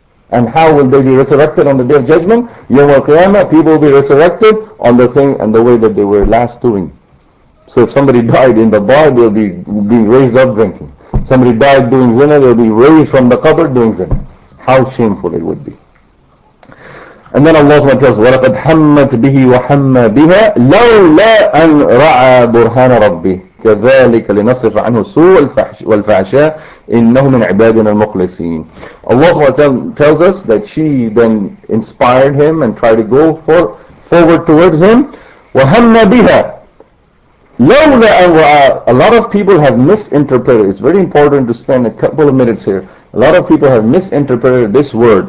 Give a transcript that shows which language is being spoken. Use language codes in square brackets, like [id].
[en] And how will they be resurrected on the day of judgment? Yawm al-Qiyamah, people will be resurrected on the thing and the way that they were last doing. So if somebody died in the bar, they'll be being raised up drinking. Somebody died doing zina, they'll be raised from the cupboard doing zina. How shameful it would be. And then Allah SWT says, [ar] وَلَقَدْ حَمَّتْ بِهِ وَحَمَّ بِهَا لَوْ لَا أَنْ رَعَى بُرْهَانَ رَبِّهِ كَذَلِكَ لِنَصْرِفَ عَنْهُ سُوءَ وَالْفَحْشَاءَ إِنَّهُ مِنْ عِبَادِنَا الْمُخْلِصِينَ. [en] Allah tells us that she then inspired him and tried to go forward towards him. [ar] وَهَمَّ بِهَا لَوْلَا أَنْ رَعَى. [en] A lot of people have misinterpreted. It's very important to spend a couple of minutes here. A lot of people have misinterpreted this word.